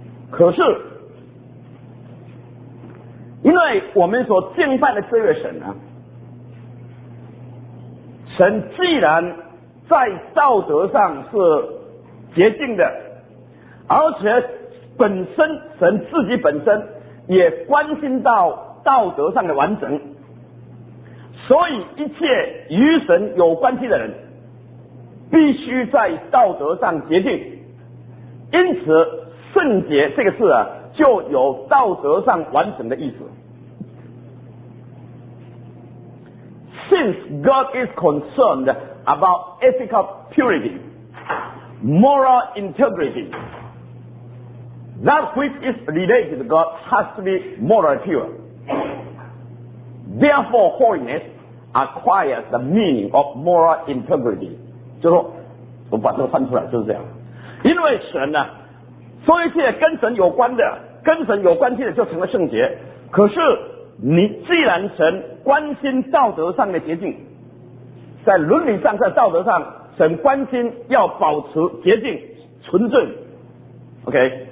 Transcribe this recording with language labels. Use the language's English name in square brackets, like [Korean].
[Chinese] 可是因为我们所敬拜的这位神啊，神既然在道德上是洁净的，而且本身神自己本身也关心到道德上的完整，所以一切与神有关系的人必须在道德上洁净，因此圣洁这个字啊，就有道德上完整的意思。 [English] Since God is concerned about ethical purity, moral integrity, that which is related to God has to be morally pure. Therefore, holiness acquires the meaning of moral integrity. [Chinese] 就说，我把这个翻出来，就是这样。因为神呢，所有一切跟神有关的、跟神有关系的，就成了圣洁。可是你既然神关心道德上的洁净，在伦理上、在道德上，神关心要保持洁净、纯正 ，OK。